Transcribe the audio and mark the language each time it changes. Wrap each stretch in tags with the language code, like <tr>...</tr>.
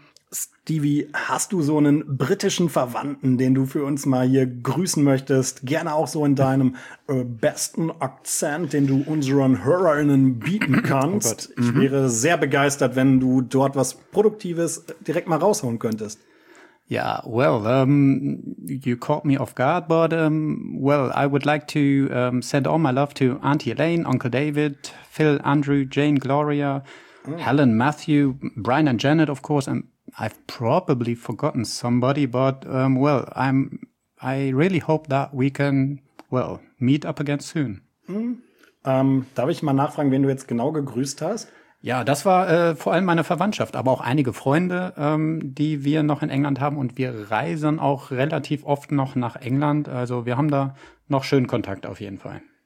<de>Stevie, hast du so einen britischen Verwandten, den du für uns mal hier grüßen möchtest? Gerne auch so in deinem besten Akzent, den du unseren HörerInnen bieten kannst. Oh Gott. Mhm. Ich wäre sehr begeistert, wenn du dort was Produktives direkt mal rausholen könntest.</de> <en>Ja, well, you caught me off guard, but I would like to send all my love to Auntie Elaine, Uncle David, Phil, Andrew, Jane, Gloria, Helen, Matthew, Brian and Janet, of course, and I've probably forgotten somebody, but I really hope that we can meet up again soon.</en> <de>Darf ich mal nachfragen, wen du jetzt genau gegrüßt hast? Ja, das war vor allem meine Verwandtschaft, aber auch einige Freunde, die wir noch in England haben und wir reisen auch relativ oft noch nach England. Also wir haben da noch schönen Kontakt auf jeden Fall.</de>